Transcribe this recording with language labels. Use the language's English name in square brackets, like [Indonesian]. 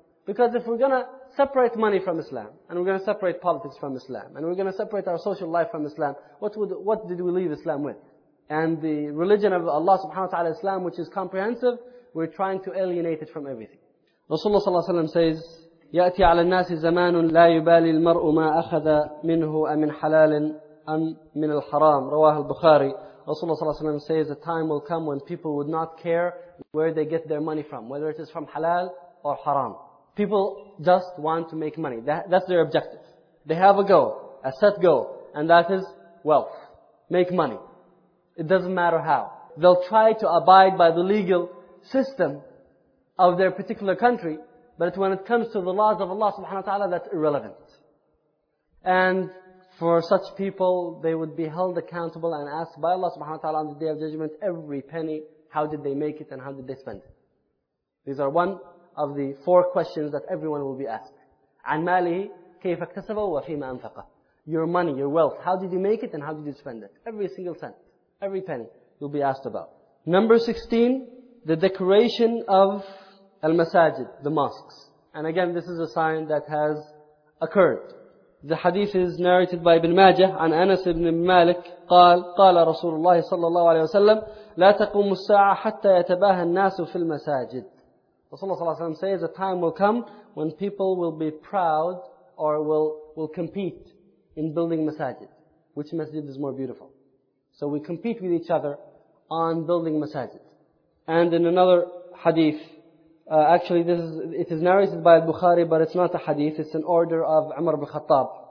[English] Because if we're going to separate money from Islam, and we're going to separate politics from Islam, and we're going to separate our social life from Islam, what did we leave Islam with? And the religion of Allah subhanahu wa ta'ala, Islam, which is comprehensive, we're trying to alienate it from everything. Rasulullah sallallahu alaihi wasallam says, [Arabic] يأتي على الناس زمان لا يبالي المرء ما أخذ منه أمن حلال أم من الحرام. رواه البخاري. [English] رسول الله صلى الله عليه وسلم says a time will come when people would not care where they get their money from, whether it is from halal or haram. People just want to make money. That's their objective. They have a goal, a set goal, and that is wealth. Make money. It doesn't matter how. They'll try to abide by the legal system of their particular country, but when it comes to the laws of Allah subhanahu wa ta'ala, that's irrelevant. And for such people, they would be held accountable and asked by Allah subhanahu wa ta'ala on the Day of Judgment, every penny, how did they make it and how did they spend it? These are one of the four questions that everyone will be asked. [Arabic] عَنْ مَالِهِ كَيْفَ اكْتَسَبَ وَفِيمَ أَنْفَقَ. [English] Your money, your wealth, how did you make it and how did you spend it? Every single cent, every penny, you'll be asked about. Number 16, the decoration of al-masajid, the mosques. And again, this is a sign that has occurred. The hadith is narrated by Ibn Majah, [Arabic] عن أنس بن مالك قال قال رسول الله صلى الله عليه وسلم لا تقوم الساعة حتى يتباهى الناس في المساجد. [English] Rasulullah صلى الله عليه وسلم says a time will come when people will be proud or will compete in building masajid. Which masjid is more beautiful? So we compete with each other on building masajid. And in another hadith, it is narrated by Al-Bukhari, but it's not a hadith, it's an order of Umar ibn Khattab.